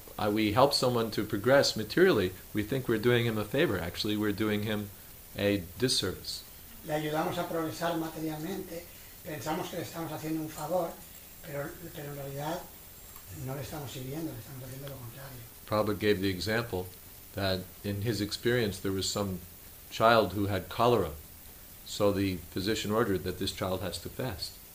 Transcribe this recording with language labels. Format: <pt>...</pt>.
<en>We help someone to progress materially, we think we're doing him a favor. Actually, we're doing him a disservice.</en> <es>Le ayudamos a progresar materialmente, pensamos que le estamos haciendo un favor, pero en realidad no le estamos sirviendo, le estamos haciendo lo contrario.</es> <en>Prabhupada gave the example that in his experience there was some child who had cholera, so the physician ordered that this child has to fast.</en>